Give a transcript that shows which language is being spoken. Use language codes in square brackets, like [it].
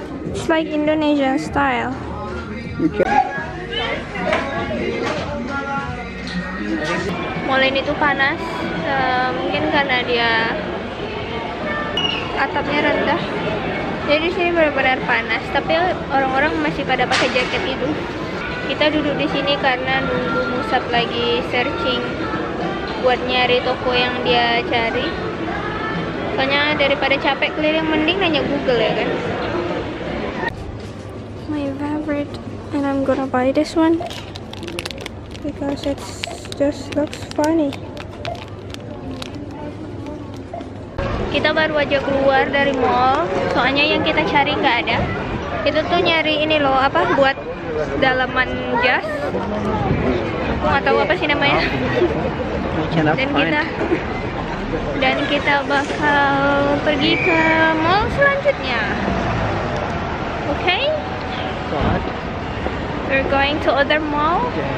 [en] It's like Indonesian style. [id] Mall ini tuh panas, mungkin karena dia atapnya rendah. Jadi sini benar-benar panas, tapi orang-orang masih pada pakai jaket itu. Kita duduk di sini karena nunggu musab lagi searching buat nyari toko yang dia cari. Soalnya daripada capek keliling mending nanya Google ya kan. [en] My favorite, and I'm gonna buy this one because it just looks funny. [id] Kita baru aja keluar dari mall, soalnya yang kita cari nggak ada. Itu tuh nyari ini loh, apa buat dalaman jas. Aku nggak tahu apa sih namanya. Dan kita bakal pergi ke mall selanjutnya. Oke? [en] Okay? We're going to other mall.